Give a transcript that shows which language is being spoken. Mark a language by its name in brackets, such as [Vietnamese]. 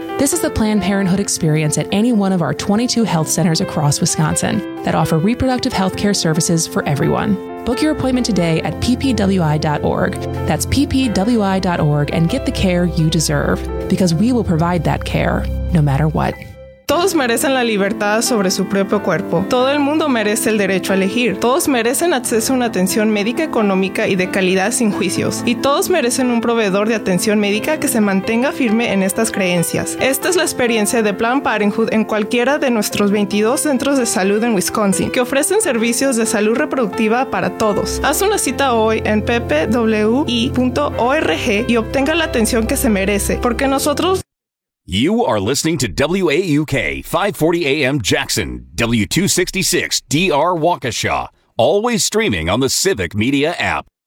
[English] This is the Planned Parenthood experience at any one of our 22 health centers across Wisconsin that offer reproductive health care services for everyone. Book your appointment today at ppwi.org. That's ppwi.org, and get the care you deserve, because we will provide that care no matter what. [Spanish] Todos merecen la libertad sobre su propio cuerpo. Todo el mundo merece el derecho a elegir. Todos merecen acceso a una atención médica económica y de calidad sin juicios. Y todos merecen un proveedor de atención médica que se mantenga firme en estas creencias. Esta es la experiencia de Planned Parenthood en cualquiera de nuestros 22 centros de salud en Wisconsin, que ofrecen servicios de salud reproductiva para todos. Haz una cita hoy en ppwi.org y obtenga la atención que se merece, porque nosotros... [English] You are listening to WAUK 540 AM Jackson, W266 DR Waukesha, always streaming on the Civic Media app.